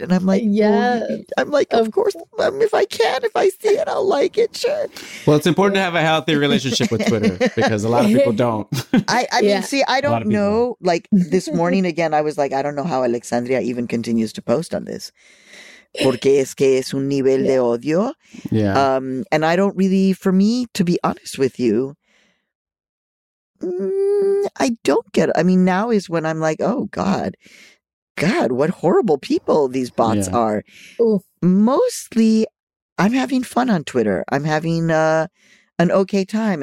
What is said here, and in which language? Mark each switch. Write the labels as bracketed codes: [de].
[en] And I'm like, I'm like, of course, if I see it, I'll like it. Sure. Well, it's important to have a healthy relationship with Twitter, because a lot of people don't. I mean, I don't know. Like, this morning again, I was like, I don't know how Alexandria even continues to post on this. [es] Porque es que es un nivel de odio. [en] Yeah. And I don't really, for me, to be honest with you, I don't get it. I mean, now is when I'm like, oh God. God, what horrible people these bots are. Oof. Mostly, I'm having fun on Twitter. I'm having an okay time.